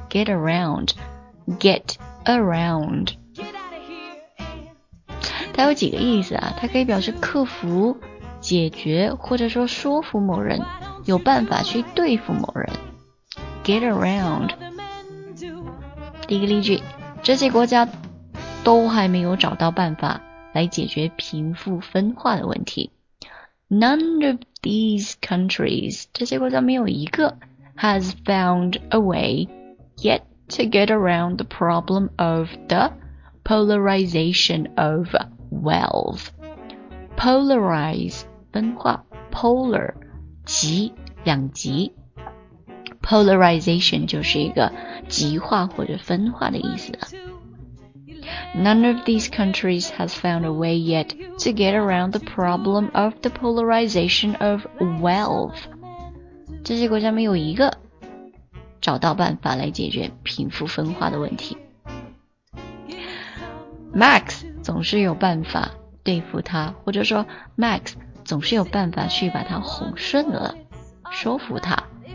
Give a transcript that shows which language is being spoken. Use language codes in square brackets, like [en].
[zh] Get around， get around， 它有几个意思啊，它可以表示克服、解决，或者说说服某人，有办法去对付某人。Get around。第一个例句，这些国家都还没有找到办法来解决贫富分化的问题。 [en] None of these countries, [zh] 这些国家没有一个， [en] has found a way yet to get around the problem of the polarization of wealth. [zh] Polarize, 分化， polar, 极，两极。 Polarization 就是一个极化或者分化的意思。 [en] None of these countries has found a way yet to get around the problem of the polarization of wealth. [zh] 这些国家没有一个找到办法来解决贫富分化的问题。 Max 总是有办法对付他，或者说 Max 总是有办法去把他哄顺了，说服他。